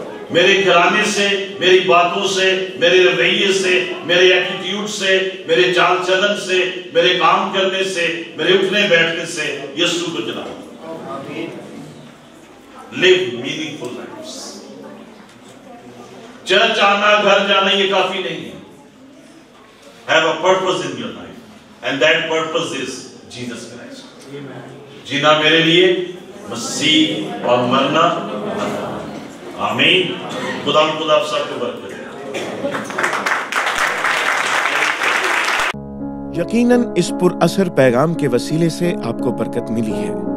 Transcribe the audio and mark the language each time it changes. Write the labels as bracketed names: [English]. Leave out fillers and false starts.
[Urdu] میرے گھرانے سے, میری باتوں سے, میرے رویے سے, میرے ایٹیٹیوڈ سے, میرے چال چلن سے, میرے کام کرنے سے, میرے اٹھنے بیٹھنے سے یسوع کو جلال. [English] Live meaningful life. [Urdu] چرچ آنا, گھر جانا یہ کافی نہیں ہے. [English] Have a purpose in your life. And that purpose is Jesus Christ. [Urdu] جینا میرے لیے مسیح اور مرنا. آمین. خدا خدا آپ سب کو برکت دے. یقیناً اس پر اثر پیغام کے وسیلے سے آپ کو برکت ملی ہے.